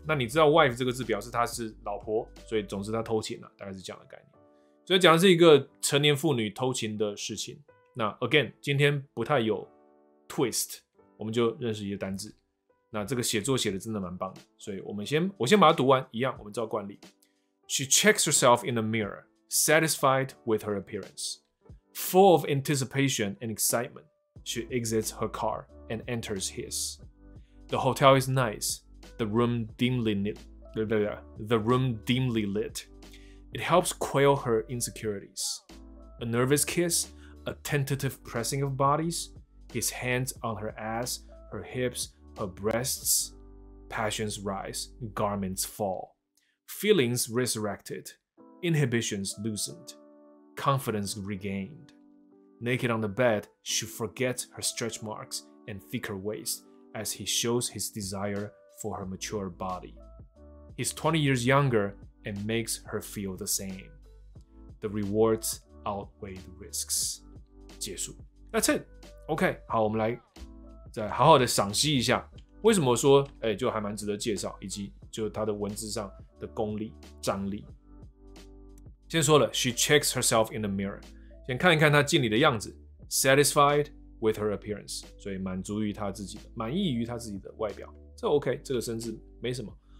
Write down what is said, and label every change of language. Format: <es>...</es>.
<zh>那你知道 wife 这个字表示她是老婆，所以总之她偷情了，大概是这样的概念。所以讲的是一个成年妇女偷情的事情。那 again， 今天不太有 twist， 我们就认识一些单字。那这个写作写的真的蛮棒的，所以我先把它读完，一样，我们照惯例。</zh> <en>She checks herself in the mirror, satisfied with her appearance. Full of anticipation and excitement, she exits her car and enters his. The hotel is nice, the room dimly lit. It helps quell her insecurities. A nervous kiss, a tentative pressing of bodies, his hands on her ass, her hips, her breasts. Passions rise, garments fall. Feelings resurrected, inhibitions loosened, confidence regained. Naked on the bed, she forgets her stretch marks and thicker waist as he shows his desire for her mature body. He's 20 years younger and makes her feel the same. The rewards outweigh the risks.</en> <zh>结束。</zh> <en>That's it.</en> <zh>OK, 好，我们来再好好的赏析一下为什么说就还蛮值得介绍，以及就他的文字上的功力、张力。先说了 ，</zh> <en>She checks herself in the mirror，</en> <zh>先看一看她镜里的样子 ，</zh> <en>satisfied with her appearance，</en> <zh>所以满足于她自己的，满意于她自己的外表，这 OK， 这个甚至没什么。</zh>